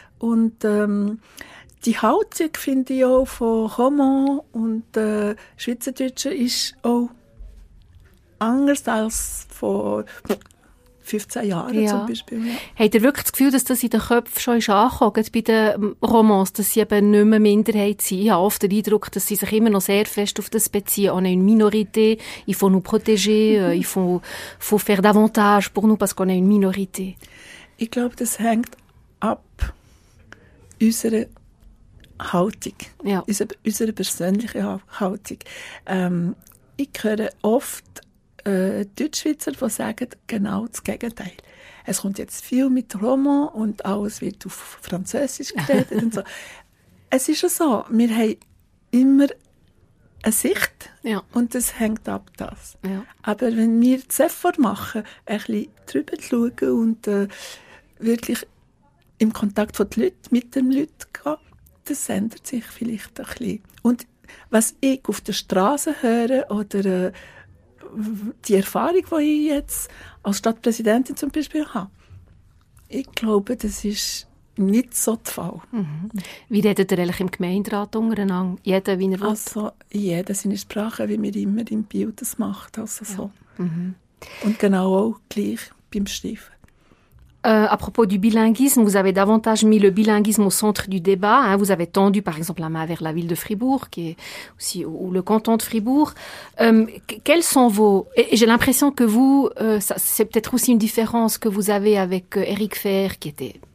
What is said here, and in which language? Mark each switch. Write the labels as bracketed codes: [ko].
[de] Und die Haltung, finde ich auch, von Romans und Schweizerdeutschen ist auch anders als vor 15 Jahren zum Beispiel. Habt ihr wirklich das Gefühl, dass das in den Köpfen schon angekommen bei den Romans, dass sie eben nicht mehr Minderheit sind? Ich habe oft den Eindruck, dass sie sich immer noch sehr fest auf das beziehen. [fr] On est une minorité, il faut nous protéger, il faut faire davantage pour nous, parce qu'on est une minorité. [de] Ich glaube, das hängt ab unserer Haltung, unserer persönlichen Haltung. Ich höre oft Deutschschweizer, die sagen genau das Gegenteil. Es kommt jetzt viel mit Roman und alles wird auf Französisch geredet. Und so. Es ist so, wir haben immer eine Sicht und es hängt ab das. Ja. Aber wenn wir das Effort machen, ein bisschen drüber schauen und wirklich im Kontakt mit den Leuten, gehen, das ändert sich vielleicht ein bisschen. Und was ich auf der Straße höre oder die Erfahrung, die ich jetzt als Stadtpräsidentin zum Beispiel habe, ich glaube, das ist nicht so der Fall. Wie redet ihr eigentlich im Gemeinderat untereinander? Jeder, wie er will? Also, jeder seine Sprache, wie man immer im Bio das macht. Also so. Und genau auch gleich beim Schreiben. [fr] À propos du bilinguisme, vous avez davantage mis le bilinguisme au centre du débat. Hein, vous avez tendu, par exemple, la main vers la ville de Fribourg, qui est aussi, ou le canton de Fribourg. Quels sont vos... Et j'ai l'impression que vous, ça, c'est peut-être aussi une différence que vous avez avec Eric Fehr, qui était